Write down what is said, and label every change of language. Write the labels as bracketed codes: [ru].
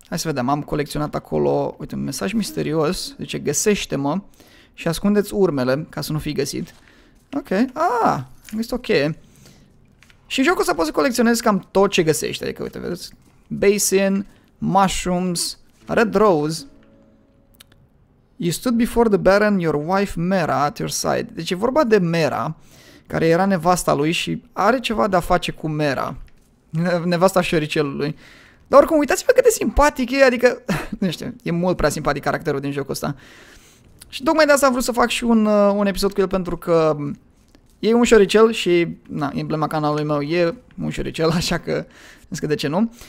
[ro] Hai să vedem, am colecționat acolo, uite, un mesaj misterios, zice, găsește-mă și ascundeți urmele ca să nu fii găsit. Ok, am găsit o cheie. Și în jocul ăsta poți să colecționezi cam tot ce găsești, adică, uite, vedeți, [en] basin, mushrooms, red rose. You stood before the Baron, your wife Mera at your side. [ro] Deci e vorba de Mera, care era nevasta lui și are ceva de a face cu Mera, nevasta șoricelului. Dar oricum, uitați-vă cât de simpatic e, adică, nu știu, e mult prea simpatic caracterul din jocul ăsta. Și tocmai de asta am vrut să fac și un episod cu el, pentru că e un șoricel și, na, emblema canalului meu e un șoricel, așa că, zic că de ce nu.